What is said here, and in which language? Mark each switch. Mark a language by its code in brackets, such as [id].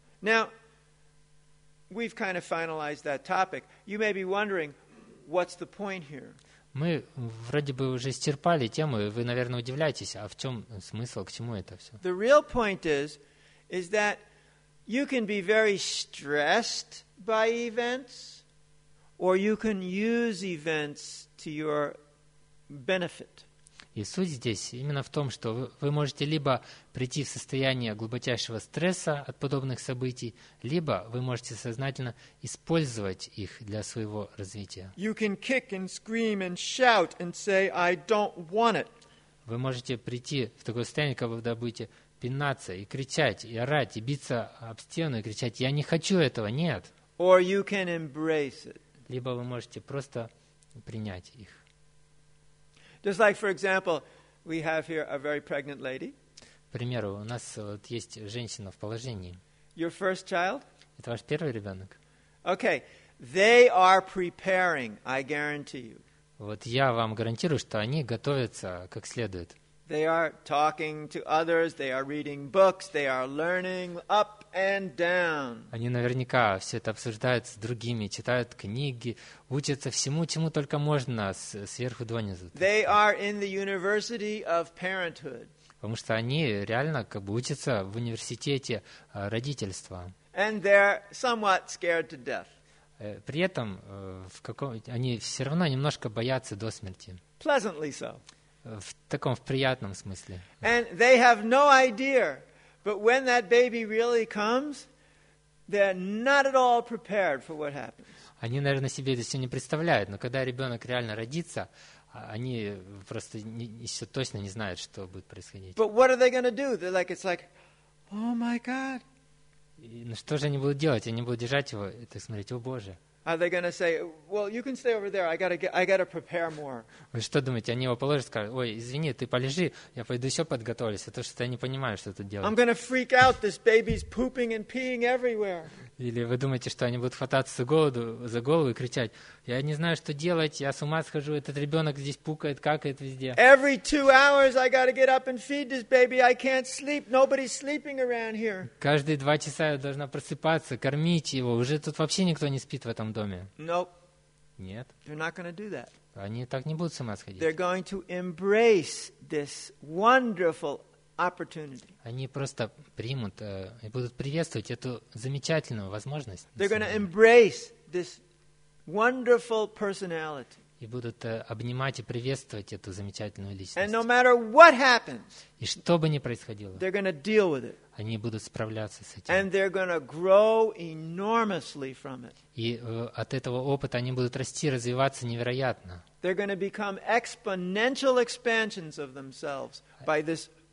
[en] Now, we've kind of finalized that topic. You may be wondering, what's the point here? [ru] Мы вроде бы уже исчерпали тему, и вы, наверное, удивляетесь, а в чем смысл, к чему это все? [en] The real point is that you can be very stressed by events, or you can use events to your benefit. [ru] И суть здесь именно в том, что вы можете либо прийти в состояние глубочайшего стресса от подобных событий, либо вы можете сознательно использовать их для своего развития. [en] You can kick and scream and shout and say, I don't want it. [ru] Вы можете прийти в такое состояние, когда будете пинаться и кричать, и орать, и биться об стену, и кричать, я не хочу этого, нет. [en] Or you can embrace it. [ru] Либо вы можете просто принять их. [en] Just like, for example, we have here a very pregnant lady. [ru] К примеру, у нас вот есть женщина в положении. [en] Your first child? [ru] Это ваш первый ребенок. [en] Okay, they are preparing, I guarantee you. [ru] Вот я вам гарантирую, что они готовятся как следует. [en] They are talking to others, they are reading books, they are learning up and down. [ru] Они наверняка все это обсуждают с другими, читают книги, учатся всему, чему только можно, сверху донизу. [en] They are in the university of parenthood. [ru] Потому что они реально как бы учатся в университете родительства. [en] And they're somewhat scared to death. [ru] При этом они все равно немножко боятся до смерти. [en] Pleasantly so. [ru] В таком, в приятном смысле. [en] And they have no idea, but when that baby really comes, they're not at all prepared for what happens. [ru] Они, наверное, себе это все не представляют, но когда ребенок реально родится, они просто еще точно не знают, что будет происходить. [en] But what are they going to do? They're like, it's like, oh my God. [ru] Ну что же они будут делать? Они будут держать его и так смотреть, о Боже. [en] Are they going to say, well, you can stay over there, I got to prepare more. [ru] Вы что думаете, они его положат, скажут, ой, извини, ты полежи, я пойду еще подготовлюсь, а то что-то я не понимаю, что тут делать. [en] I'm going to freak out, this baby's pooping and peeing everywhere. [ru] Или вы думаете, что они будут хвататься за голову и кричать, я не знаю, что делать, я с ума схожу, этот ребенок здесь пукает, какает везде. [en] Every 2 hours I got to get up and feed this baby, I can't sleep, nobody's sleeping around here. [ru] Каждые 2 часа я должна просыпаться, кормить его, уже тут вообще никто не спит в этом доме. [en] Nope. [ru] Нет. [en] They're not going to do that. [ru] Они так не будут с ума сходить. [en] They're going to embrace this wonderful opportunity. [ru] Они просто примут и будут приветствовать эту замечательную возможность. [en] They're going to embrace this wonderful personality. [ru] И будут обнимать и приветствовать эту замечательную личность. [en] And no matter what happens, [ru] и что бы ни происходило, [en] they're going to deal with it. [ru] Они будут справляться с этим. [en] And they're going to grow enormously from it. [ru] И от этого опыта они будут расти, развиваться невероятно. [en] They're going to become exponential expansions of themselves by this